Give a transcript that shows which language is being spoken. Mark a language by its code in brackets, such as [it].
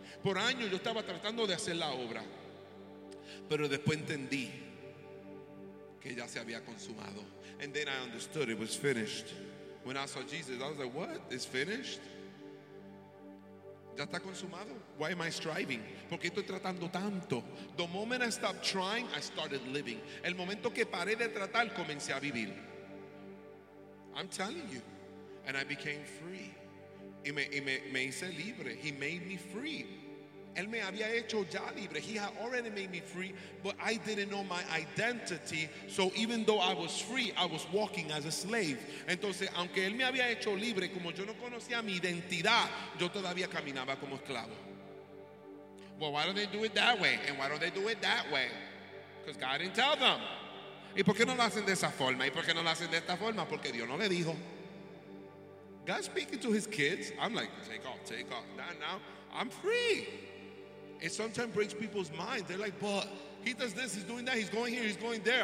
[es] Por años yo estaba tratando de hacer la obra. Pero después entendí que ya se había consumado. [en] And then I understood it was finished. When I saw Jesus, I was like, what? It's finished? [es] Ya está consumado. [en] Why am I striving? [es] ¿Por qué estoy tratando tanto? [en] The moment I stopped trying, I started living. [es] El momento que paré de tratar, comencé a vivir. [en] I'm telling you. And I became free. [es] Y me hice libre. [en] He made me free. [es] Él me había hecho ya libre. [en] He had already made me free, but I didn't know my identity. So even though I was free, I was walking as a slave. [es] Entonces, aunque él me había hecho libre, como yo no conocía mi identidad, yo todavía caminaba como esclavo. [en] Well, why don't they do it that way? And why don't they do it that way? Because God didn't tell them. [es] ¿Y por qué no lo hacen de esa forma? ¿Y por qué no lo hacen de esta forma? Porque Dios no le dijo. [en] God speaking to his kids. I'm like, take off. Now I'm free. It sometimes breaks people's minds. They're like, but he does this, he's doing that, he's going here, he's going there.